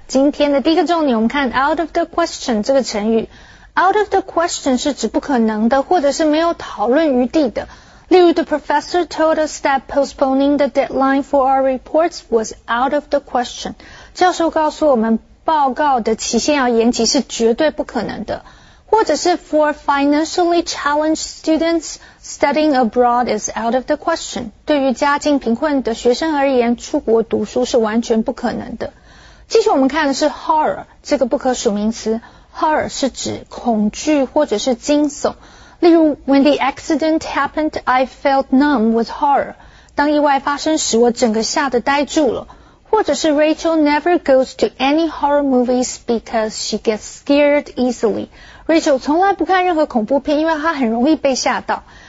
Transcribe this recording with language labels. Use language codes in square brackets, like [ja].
[zh] 今天的第一个重点，我们看 out of the question 这个成语。 Out of the question 是指不可能的或者是没有讨论余地的。例如 [en] The professor told us that postponing the deadline for our reports was out of the question. [zh] 教授告诉我们报告的期限要延期是绝对不可能的。或者是 [en] For financially challenged students, studying abroad is out of the question. [zh] 对于家境贫困的学生而言出国读书是完全不可能的。继续我们看的是 horror, 这个不可数名词。Horror 是指恐惧或者是惊悚。例如 [en] When the accident happened, I felt numb with horror. [zh] 当意外发生时我整个吓得呆住了。或者是 [en] Rachel never goes to any horror movies because she gets scared easily. [zh] Rachel 从来不看任何恐怖片因为她很容易被吓到。